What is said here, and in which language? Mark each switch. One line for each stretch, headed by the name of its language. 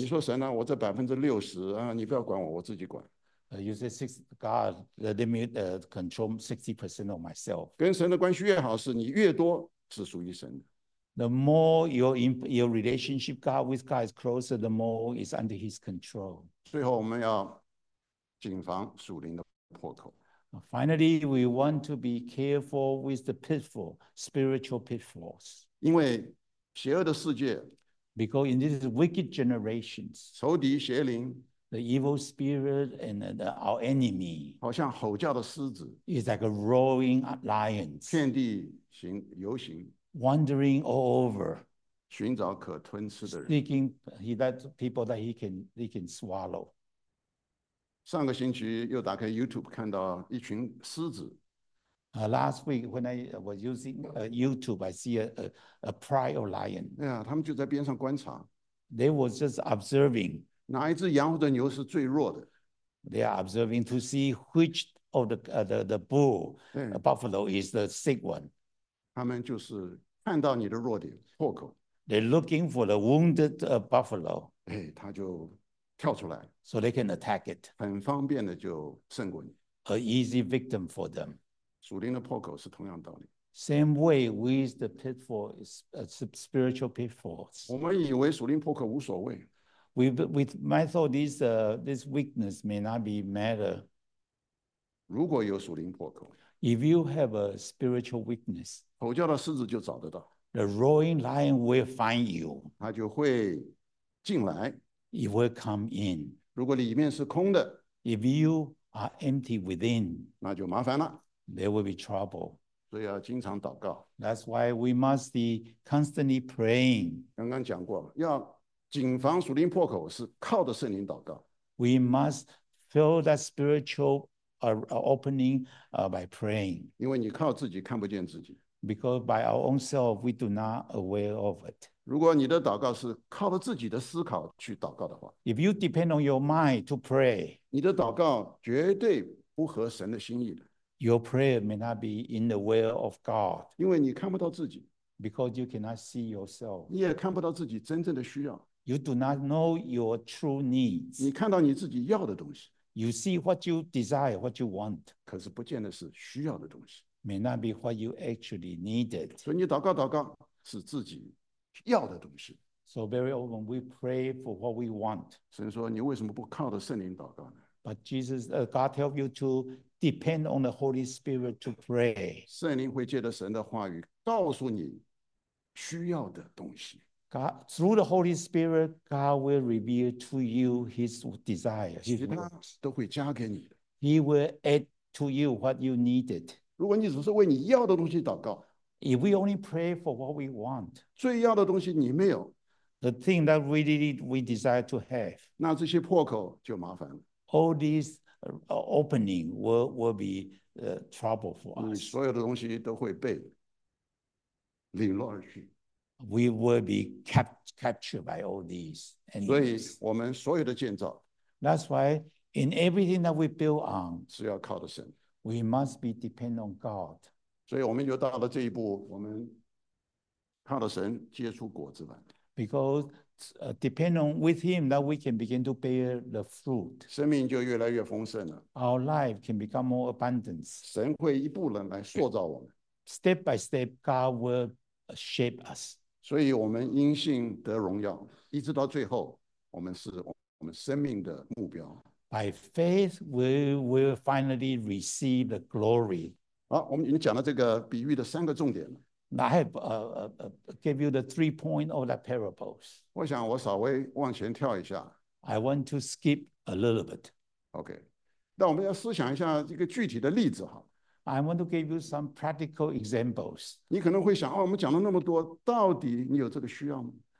Chinese: 你说神啊，我这百分之六十啊，你不要管我，我自己管。
English: You say six, God, let me control 60% of myself.
Chinese: 跟神的关系越好，是你越多是属于神的。
English: The more your relationship God with God is closer, the more is under His control.
Chinese: 最后我们要谨防属灵的破口。
English: Finally, we want to be careful with the pitfall, spiritual pitfalls.
Chinese: 因为邪恶的世界，
English: because in these wicked generations,
Chinese: 仇敌邪灵，
English: the evil spirit and our enemy,
Chinese: 好像吼叫的狮子，
English: is like a roaring lion,
Chinese: 遍地行游行，
English: wandering all over,
Chinese: 寻找可吞吃的人，
English: seeking that people that he can swallow.
Chinese: 上个星期又打开 YouTube 看到一群狮子。
English: Last week when I was using YouTube, I see a pride of lion.
Chinese: Yeah, 他们就在边上观察。
English: They were just observing.
Chinese: 哪一只羊或者牛是最弱的？
English: They are observing to see which of the bull, the buffalo is the sick one.
Chinese: 他们就是看到你的弱点破口。
English: They're looking for the wounded buffalo.
Chinese: 他就跳出来。
English: So they can attack it.
Chinese: 很方便的就胜过你。
English: A easy victim for them.
Chinese: 属灵的破口是同样道理。
English: Same way with the pitfalls, spiritual pitfalls.
Chinese: 我们以为属灵破口无所谓。
English: With my thought, this weakness may not be matter.
Chinese: 如果有属灵破口。
English: If you have a spiritual weakness.
Chinese: 吼叫的狮子就找得到。
English: The roaring lion will find you.
Chinese: 他就会进来。
English: it will come in.
Chinese: 如果里面是空的，
English: if you are empty within,
Chinese: 那就麻烦了。
English: There will be trouble.
Chinese: 所以要经常祷告。
English: That's why we must be constantly praying.
Chinese: 刚刚讲过，要谨防属灵破口，是靠着圣灵祷告。
English: We must fill that spiritual opening by praying.
Chinese: 因为你靠自己看不见自己。
English: Because by our own self, we do not aware of it.
Chinese: 如果你的祷告是靠着自己的思考去祷告的话，
English: If you depend on your mind to pray,
Chinese: 你的祷告绝对不合神的心意的。
English: Your prayer may not be in the will of God.
Chinese: 因为你看不到自己。
English: Because you cannot see yourself.
Chinese: 你也看不到自己真正的需要。
English: You do not know your true needs.
Chinese: 你看到你自己要的东西。
English: You see what you desire, what you want.
Chinese: 可是不见得是需要的东西。
English: May not be what you actually needed.
Chinese: 所以你祷告祷告是自己要的东西。
English: So very often we pray for what we want.
Chinese: 神说你为什么不靠着圣灵祷告呢？
English: But Jesus, God help you to depend on the Holy Spirit to pray.
Chinese: 圣灵会借着神的话语告诉你需要的东西。
English: God, through the Holy Spirit, God will reveal to you His desires.
Chinese: 其他都会加给你的。
English: He will add to you what you needed.
Chinese: 如果你只是为你要的东西祷告，
English: If we only pray for what we want,
Chinese: 最要的东西你没有，
English: The thing that really we desire to have,
Chinese: 那这些破口就麻烦了。
English: All these opening will be trouble for us.
Chinese: 所有的东西都会被领落而去。
English: We will be captured by all these.
Chinese: 所以我们所有的建造，
English: That's why in everything that we build on,
Chinese: 是要靠的神。
English: We must be dependent on God.
Chinese: 所以我们就到了这一步，我们靠的神结出果子来。
English: Because depend on with Him that we can begin to bear the fruit.
Chinese: 生命就越来越丰盛了。
English: Our life can become more abundant.
Chinese: 神会一步人来塑造我们。
English: Step by step, God will shape us.
Chinese: 所以我们因信得荣耀，一直到最后，我们是我们生命的目标。
English: By faith, we will finally receive the glory.
Chinese: 好，我们已经讲了这个比喻的三个重点了。
English: I have give you the 3 points of that parables.
Chinese: 我想我稍微往前跳一下。
English: I want to skip a little bit. Okay.
Chinese: 那我们要思想一下这个具体的例子哈。
English: I want to give you some practical examples.
Chinese: 你可能会想，哦，我们讲了那么多，到底你有这个需要吗？